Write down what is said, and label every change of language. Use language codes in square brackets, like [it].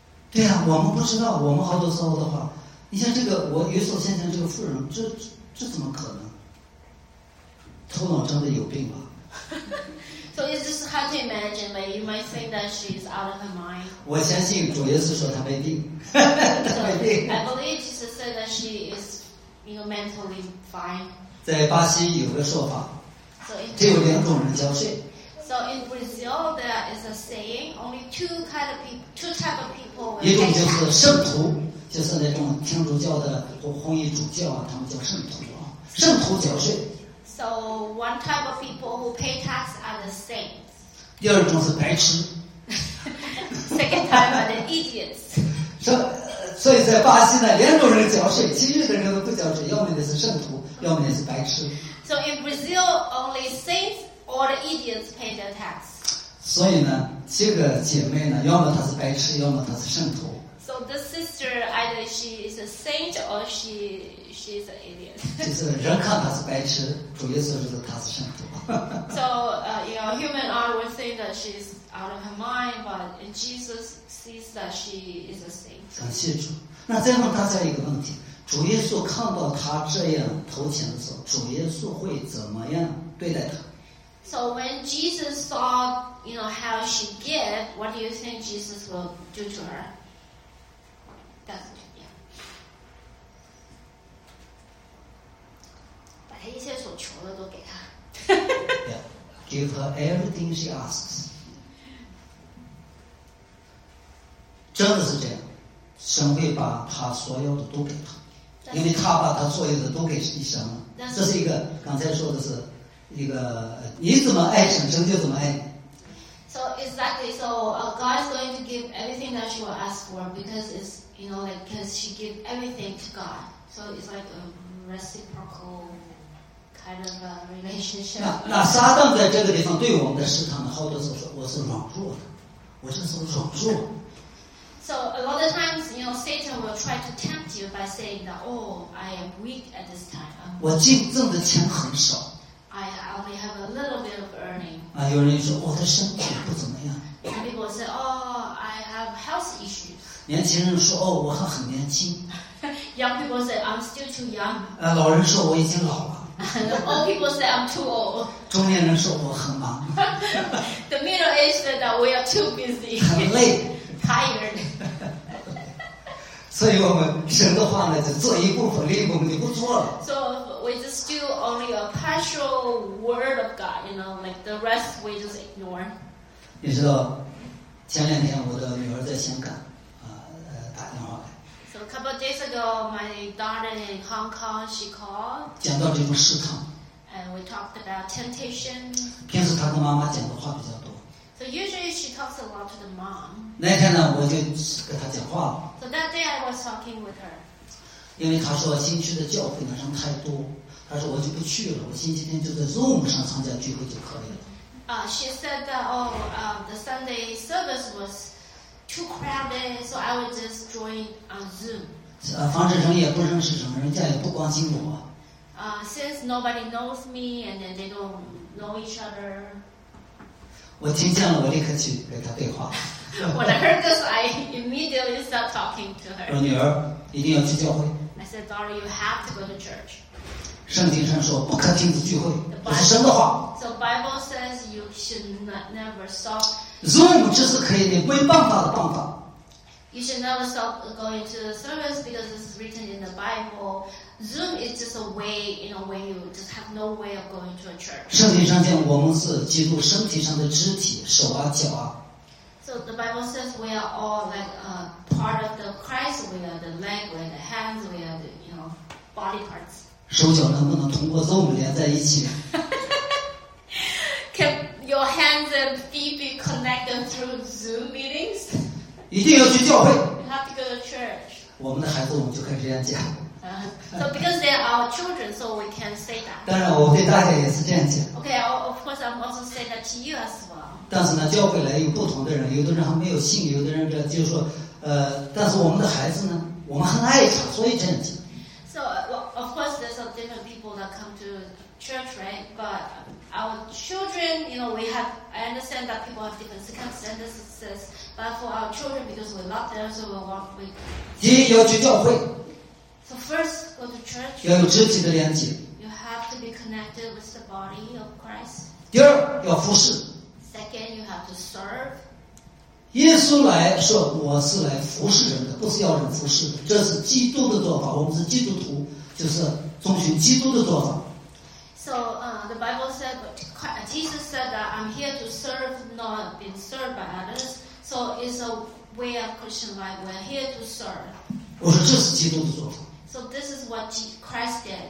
[zh] 对呀、啊，我们不知道，我们好多时候的话，你像这个我与所先生这个妇人，这怎么可能？头脑真的有病吧？ [en] So it's just hard to imagine, but you might think that she's out of her mind. [zh] 我相信主耶稣说她没病，她没病。 [en] So, I believe Jesus said that she is, you know, mentally fine. [zh] 在巴西有个说法， so、只有两种人交税。 [en] So in Brazil, there is a saying: only two kind of people, two type of people. [zh] 一种就是圣徒，就是那种天主教的或红衣主教啊，他们叫圣徒啊，圣徒缴税。 [en] So one type of people who pay tax are the saints. [zh] 第二种是白痴。 [en] Second type are the idiots. [zh] 所以在巴西呢，两种人缴税，其余的人都不缴税，要么的是圣徒，要么的是白痴。 [en] So in Brazil, only saints. Or the idiots pay their tax. [zh] 所以呢，这个姐妹呢，要么她是白痴，要么她是圣徒。 [en] So this sister either she is a saint or she is an idiot. [zh] 就是人看她是白痴，主耶稣就是她是圣徒。 [en] So, you know, human eye would say that she is out of her mind, but Jesus sees that she is a saint. [zh] 感谢主。那再问大家一个问题：主耶稣看到她这样投钱的时候，主耶稣会怎么样对待她？ [en] So when Jesus saw, you know, how she gave, what do you think Jesus will do to her? That's it, yeah. [zh] 把她一切所求的都给她。 [en] Yeah, give her everything she asks. [zh] 真的是这样，神会把她所有的都给她，因为她把她所有的都给神了。这是一个刚才说的是。一个你怎么爱神，神就怎么爱。 [en] So exactly, so God is going to give everything that she will ask for because it's, you know, like because she give everything to God. So it's like a reciprocal kind of a relationship. [zh] 那撒旦在这个地方对我们的试探呢，好多时候说我是软弱的，我这是软弱。 [en] So a lot of times, you know, Satan will try to tempt you by saying that, oh, I am weak at this time. [zh] 我净挣的钱很少。 [en] I only have a little bit of earning. [zh] 啊，有人说我的身体不怎么样。 [en] And people say, oh, I have health issues. [zh] 年轻人说，哦，我还很年轻。 [en] Young people say, I'm still too young. [zh] 老人说我已经老了。 [en] Old people say, I'm too old. [zh] 中年人说我很忙。 [en] The middle age said that we are too busy. [zh] 很累。 [en] Tired. [zh] 所以我们神的话呢，就做一部分，另一部分就不做了。 [en] So we just do only a partial word of God, you know, like the rest we just ignore. [zh] 你知道，前两天我的女儿在香港，打电话来。 [en] So a couple of days ago, my daughter in Hong Kong, she called. [zh] 讲到这种试探。 [en] And we talked about temptation. [zh] 平时她跟妈妈讲的话比较多。 [en] So usually she talks a lot to the mom. [zh] 那天呢，我就跟她讲话了。 [en] So that day I was talking with her. [zh] 因为她说新区的教会呢人太多，她说我就不去了，我星期天就在 Zoom 上参加聚会就可以了。 [en] She said that the Sunday service was too crowded, so I would just join on Zoom. [zh] 反正人也不认识人，人家也不关心我。 [en] Since nobody knows me and then they don't know each other. [zh] 我听见了，我立刻去给他对话。 [en] When I heard this, I immediately start talking to her. [zh] 说女儿，一定要去教会。 [en] I said, daughter, you have to go to church. [zh] 圣经上说不可停止聚会，这是神的话。 [en] So Bible says you should never stop. [zh] Zoom 这是可以的，没办法的办法。 [en] You should never stop going to the service because it's written in the Bible. Zoom is just a way, in a way, you just have no way of going to a church. [zh] 圣经上讲，我们是基督身体上的肢体，手啊，脚啊。 [en] So the Bible says we are all like a part of the Christ. We are the leg, we are the hands, we are the, you know, body parts. [zh] 手脚能不能通过 Zoom 连在一起？ [en] Can your hands and feet be connected through Zoom meetings? [zh] 一定要去教会。 [en] You have to go to church. [zh] 我们的孩子，我们就可以这样讲。 [en] So because they are our children, so we can say that. [zh] 当然，我对大家也是这样讲。 [en] Okay, of course, I'm also say that to you as well. [zh] 但是呢，教会来有不同的人，有的人还没有信，有的人这就是说，但是我们的孩子呢，我们很爱他，所以这样讲。 [en] So, well, of course, there's some different people that come to church, right? But our children, you know, we have I understand that people have different circumstances, but for our children, because we love them, so we want to. [zh] 第一，要去教会。 [en] So first, go to church. [zh] 要有肢体的连接。 [en] You have to be connected with the body of Christ. [zh] 第二，要服侍。 [en] Second, you have to serve. [zh] 耶稣来说我是来服侍人的，不是要人服侍的，这是基督的做法，我们是基督徒，就是遵循基督的做法。 [en] So, the Bible said, Jesus said that I'm here to serve, not being served by others. So it's a way of Christian life, we're here to serve. [zh] 我说这是基督的做法。 [en] So this is what Christ did.